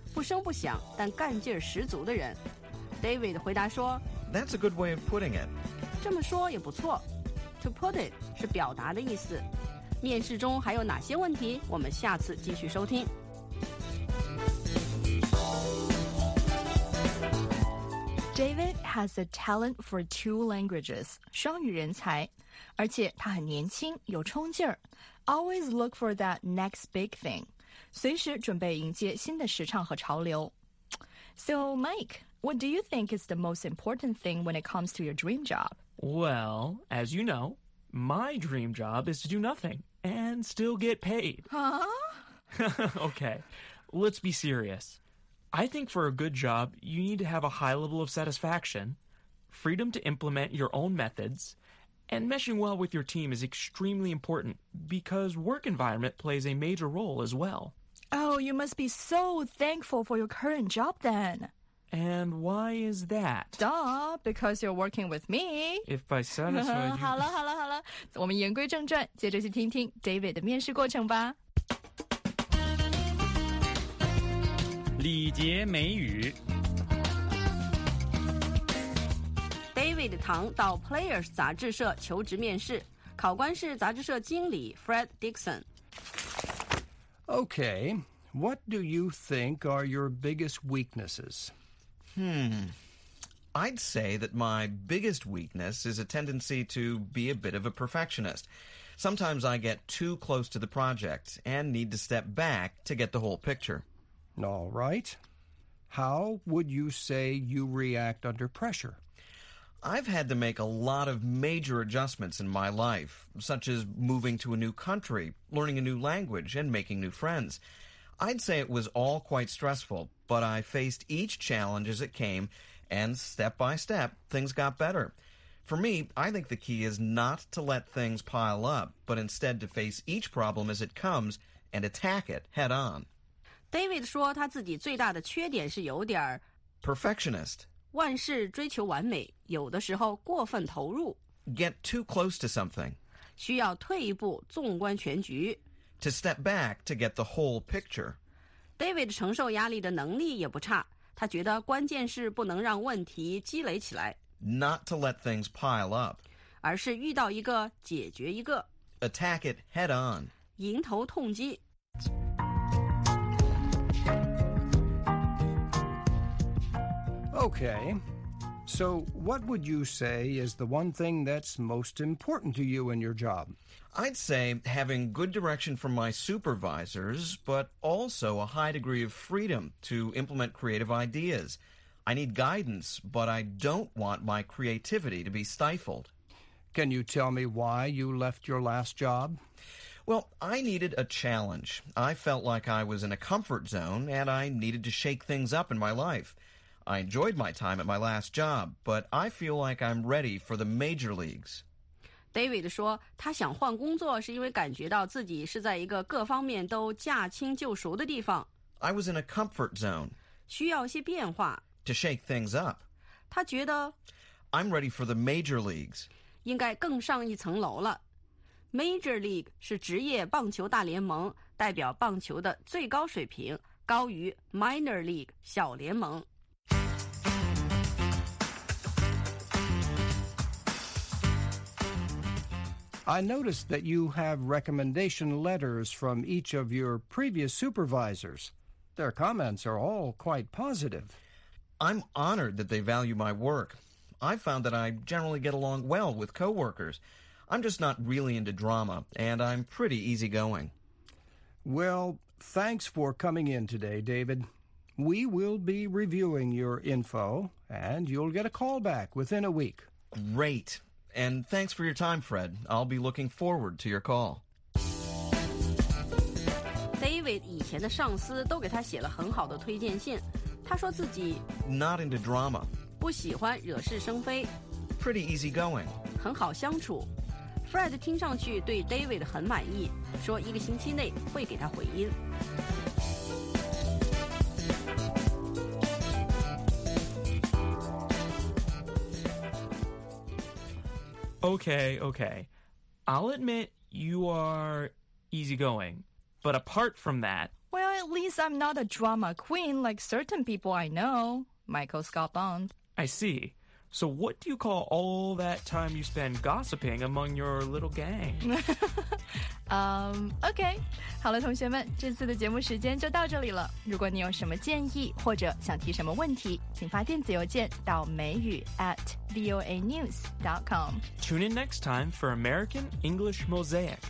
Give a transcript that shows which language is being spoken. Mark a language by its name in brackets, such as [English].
[Chinese] 不声不响但干劲十足的人。 David 回答说 [English] ，That's a good way of putting it。 [Chinese] 这么说也不错 [English] To put it [Chinese] 是表达的意思面试中还有哪些问题我们下次继续收听 [English] David has a talent for two languages [Chinese] 双语人才而且他很年轻有冲劲儿 [English] Always look for that next big thing [Chinese] 随时准备迎接新的时尚和潮流 [English] So Mike, what do you think is the most important thing when it comes to your dream job? Well, as you know, my dream job is to do nothing and still get paid. Huh? Okay, let's be serious. I think for a good job, you need to have a high level of satisfaction, freedom to implement your own methods, and meshing well with your team is extremely important because work environment plays a major role as well. Oh, you must be so thankful for your current job then. And why is that? Duh, because you're working with me. If by satisfied you... [Chinese] 好了好了好了，我们言归正传，接着去听听 David 的面试过程吧。礼节美语。 David 唐到 Players 杂志社求职面试，考官是杂志社经理 Fred Dixon。 [English] Okay, what do you think are your biggest weaknesses? I'd say that my biggest weakness is a tendency to be a bit of a perfectionist. Sometimes I get too close to the project and need to step back to get the whole picture. All right. How would you say you react under pressure? I've had to make a lot of major adjustments in my life, such as moving to a new country, learning a new language, and making new friends. I'd say it was all quite stressful, but I faced each challenge as it came, and step by step, things got better. For me, I think the key is not to let things pile up, but instead to face each problem as it comes and attack it head on. [Chinese] David 说他自己最大的缺点是有点 [English] Perfectionist. [Chinese] 万事追求完美，有的时候过分投入。 [English] Get too close to something. [Chinese] 需要退一步，纵观全局。 [English] To step back to get the whole picture. [Chinese] David 承受压力的能力也不差，他觉得关键是不能让问题积累起来。 [English] Not to let things pile up. [Chinese] 而是遇到一个解决一个。 [English] Attack it head on. [Chinese] 迎头痛击。 [English] Okay, so what would you say is the one thing that's most important to you in your job? I'd say having good direction from my supervisors, but also a high degree of freedom to implement creative ideas. I need guidance, but I don't want my creativity to be stifled. Can you tell me why you left your last job? Well, I needed a challenge. I felt like I was in a comfort zone, and I needed to shake things up in my life. I enjoyed my time at my last job, but I feel like I'm ready for the major leagues. [Chinese] David 说他想换工作是因为感觉到自己是在一个各方面都驾轻就熟的地方。 [English] I was in a comfort zone. [Chinese] 需要一些变化。 [English] To shake things up. [Chinese] 他觉得 [English] I'm ready for the major leagues. [Chinese] 应该更上一层楼了。 Major league 是职业棒球大联盟，代表棒球的最高水平，高于 minor league 小联盟。 [English] I noticed that you have recommendation letters from each of your previous supervisors. Their comments are all quite positive. I'm honored that they value my work. I've found that I generally get along well with coworkers. I'm just not really into drama, and I'm pretty easygoing. Well, thanks for coming in today, David. We will be reviewing your info, and you'll get a call back within a week. Great. And thanks for your time, Fred. I'll be looking forward to your call. [Chinese] David 以前的上司都给他写了很好的推荐信。他说自己 [English] Not into drama. [Chinese] 不喜欢惹是生非。 [English] Pretty easygoing. [Chinese] 很好相处。 Fred 听上去对 David 很满意，说一个星期内会给他回音。 [English] Okay. I'll admit you are easygoing, but apart from that... Well, at least I'm not a drama queen like certain people I know, Michael Scott Bond. I see. So what do you call all that time you spend gossiping among your little gang? okay. [Chinese] 好了，同学们，这次的节目时间就到这里了。如果你有什么建议或者想提什么问题，请发电子邮件到美语@voanews.com. [English] Tune in next time for American English Mosaic.